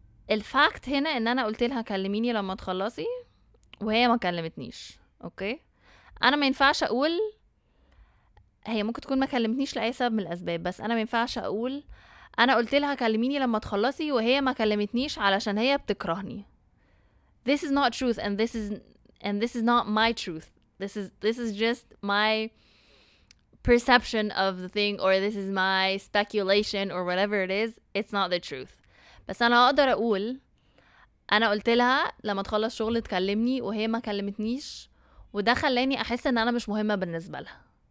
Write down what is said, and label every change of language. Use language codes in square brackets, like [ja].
[ar] الفاكت هنا ان انا قلت لها كلميني لما تخلصي وهي ما كلمتنيش. اوكي انا ما ينفعش اقول هي ممكن تكون ما كلمتنيش لاي سبب من الاسباب, بس انا ما ينفعش اقول انا قلت لها كلميني لما تخلصي وهي ما كلمتنيش علشان هي بتكرهني. [en] This is not truth and this is not my truth. This is just my perception of the thing, or this is my speculation or whatever it is. It's not the truth. [ar] بس أنا أقدر أقول أنا قلت لها لما تخلص شغل تكلمني وهي ما كلمتنيش, وده خلاني أحس أن أنا مش مهمة بالنسبة لها.